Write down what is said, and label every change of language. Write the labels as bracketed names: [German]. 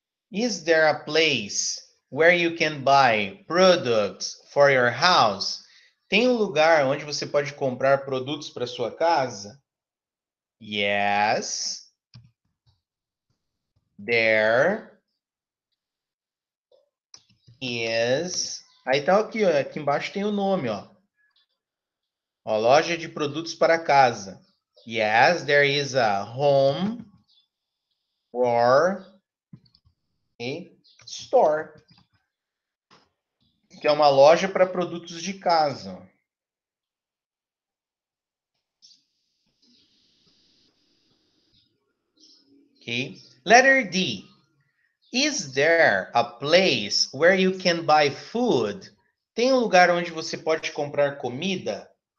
[English] Is there a place where you can buy products for your house? [Portuguese] Tem um lugar onde você pode comprar produtos para sua casa? [English] Yes. There is. [Portuguese] Aí tá aqui, ó. Aqui embaixo tem o nome, ó. Ó, loja de produtos para casa. [English] Yes, there is a home or a store. [Portuguese] Que é uma loja para produtos de casa. [English] Ok. Letter D. Is there a place where you can buy food? [Portuguese] Tem um lugar onde você pode comprar comida?